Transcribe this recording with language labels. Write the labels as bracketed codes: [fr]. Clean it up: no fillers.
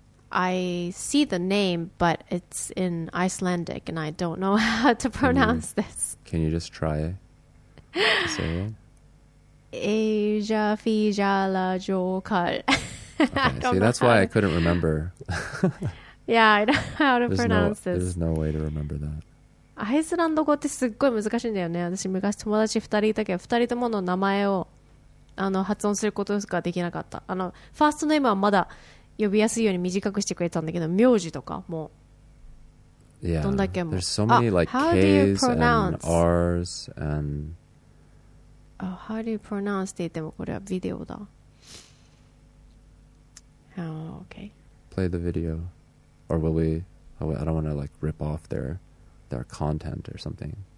[en] I see the name, but it's in Icelandic, and I don't know how to pronounce this. Can you just try it? Asia Fija La Jokal. See, that's why I couldn't remember. Yeah, I don't know how to pronounce this. There's no way to remember that. [ja] Icelandic 語ってすっごい難しいんだよね。私昔友達2人いたけど、2人ともの名前をあの発音することしかできなかった。あのファーストネームはまだ呼びやすいように短くしてくれたんだけど、名字とかもどんだけも、 [en] there's so many like K's and R's and how do you pronounce [ja] って言ってもこれはビデオだ。 [en] Okay. Play the video, or will we? Oh, I don't want to like rip off their content or something.